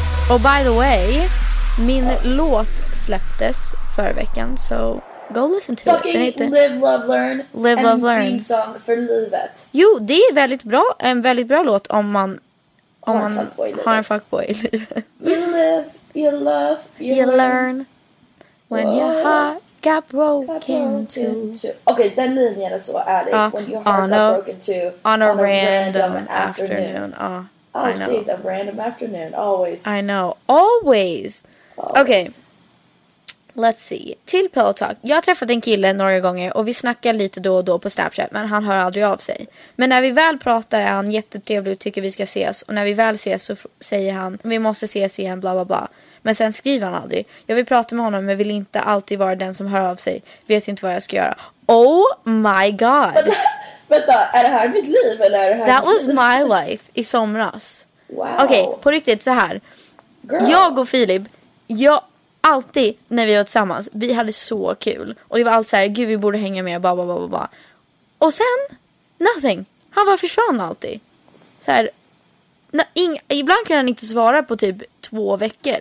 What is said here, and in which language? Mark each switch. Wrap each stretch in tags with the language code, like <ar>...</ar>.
<sv>Och</sv> <en>by the way,</en> <sv>min låt släpptes förra veckan, så</sv> <en>go listen to fucking it. Fucking live, love, learn. Live, love, learn. Theme song</en> <sv>för livet. Jo, det är väldigt bra, en väldigt bra låt om man har en fuckboy i livet.</sv> <en>You live, you love, you learn. When you're hot. Got broken too. Okay, then the line is so ärlig. When your heart got broken too. On a random afternoon. I know. A random afternoon. Always. I know. Always. Okay. Let's see. Till Pillow Talk.</en> <sv>Jag träffade en kille några gånger och vi snackar lite då och då på Snapchat, men han hör aldrig av sig. Men när vi väl pratar är han jättetrevlig och tycker vi ska ses. Och när vi väl ses så säger han, vi måste ses igen, bla bla bla. Men sen skriver han aldrig. Jag vill prata med honom men vill inte alltid vara den som hör av sig. Vet inte vad jag ska göra. Oh my god. Vänta, är det här mitt liv eller är det här?</sv> <en>That was my life</en> <sv>i somras.</sv> <en>Wow.</en> <sv>Okej, okay, på riktigt så här. Girl. Jag och Filip, jag alltid när vi var tillsammans, vi hade så kul. Och det var allt så här, gud vi borde hänga med, blah, blah, blah, blah. Och sen, nothing. Han var försvann alltid. Så här. Ibland kan han inte svara på typ 2 veckor.</sv>